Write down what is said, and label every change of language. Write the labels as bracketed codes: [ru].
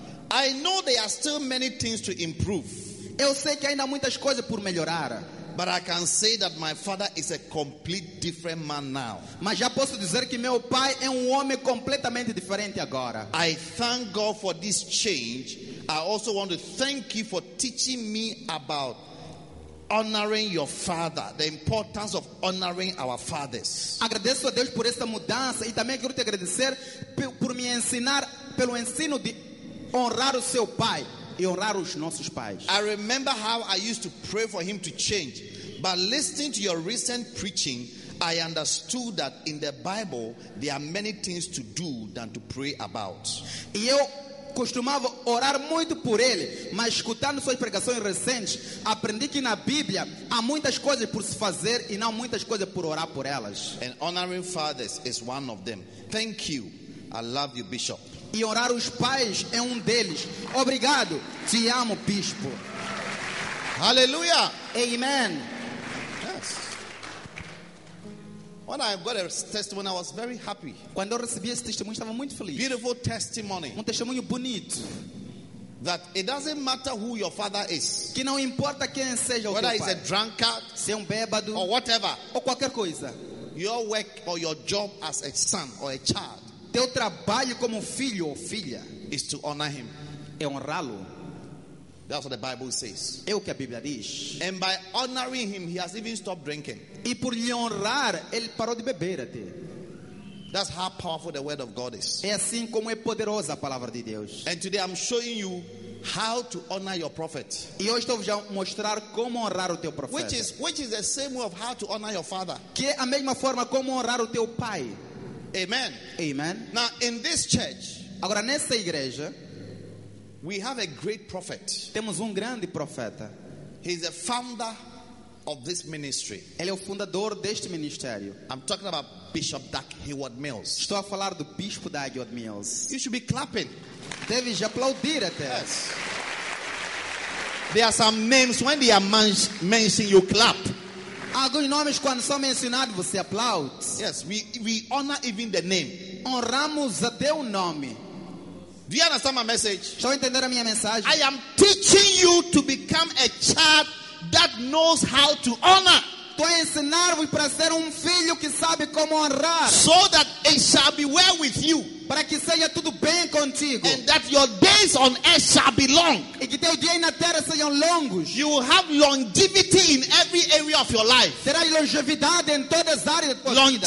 [en] I know there are still many things to improve. [pt] Eu sei que ainda há muitas coisas por melhorar. [en] But I can say that my father is a complete different man now. [pt] Mas já posso dizer que meu pai é homem completamente diferente agora. [en] I thank God for this change. I also want to thank you for teaching me about honoring your father, the importance of honoring our fathers. [pt] Agradeço a Deus por esta mudança e também quero te agradecer por me ensinar pelo ensino de honrar o seu pai e honrar os nossos pais. [en] I remember how I used to pray for him to change, but listening to your recent preaching, I understood that in the Bible there are many things to do than to pray about. [pt] Costumava orar muito por ele, mas escutando suas pregações recentes, aprendi que na Bíblia há muitas coisas por se fazer e não muitas coisas por orar por elas. [en] And honoring fathers is one of them. Thank you. I love you, Bishop. [pt] E orar os pais é deles. Obrigado. Te amo, Bispo. Hallelujah. Amen. [en] Yes. When I got a testimony, I was very happy. [pt] Quando eu recebi esse testemunho, estava muito feliz. [en] Beautiful testimony. [pt] Testemunho bonito. [en] That it doesn't matter who your father is. [pt] Que não importa quem seja o teu pai. [en] Whether he's a drunkard, [pt] se bêbado, [en] or whatever, [pt] ou qualquer coisa. [en] Your work or your job as a son or a child. [pt] Teu trabalho como filho ou filha [en] is to honor him. [pt] É honrá-lo. [en] That's what the Bible says. [pt] É o que a Bíblia diz. [en] And by honoring him, he has even stopped drinking. [pt] E por lhe honrar, ele parou de beber até. [en] That's how powerful the word of God is. [pt] É assim como é poderosa a palavra de Deus. [en] And today I'm showing you how to honor your prophet. [pt] E hoje estou a mostrar como honrar o teu profeta. [en] Which is the same way of how to honor your father. [pt] Que é a mesma forma como honrar o teu pai. [en] Amen. [pt] Amen. [en] Now in this church, [pt] agora nesta igreja, [en] we have a great prophet. [pt] Temos grande profeta. [en] He's the founder of this ministry. [pt] Ele é o fundador deste ministério. [en] I'm talking about Bishop Doug Hayward Mills. [pt] Estou a falar do Bispo Doug Hayward Mills. [en] You should be clapping. [pt] Deve já aplaudir até. [en] Yes. There are some names when they are mentioned, you clap. [pt] Alguns nomes quando são mencionados você aplaude. [en] Yes, we honor even the name. [pt] Honramos até o nome. [en] Do you understand my message? [pt] Estão a entender a minha mensagem? [en] I am teaching you to become a child that knows how to honor. [pt] Estou a ensinar-vos para ser filho que sabe como honrar. [en] So that it shall be well with you. [pt] Para que seja tudo bem contigo. [en] And that your days on earth shall be long. [pt] E que teu dia na terra seja longos. [en] You will have longevity in every area of your life. [pt] Terá longevidade em todas as áreas da tua vida.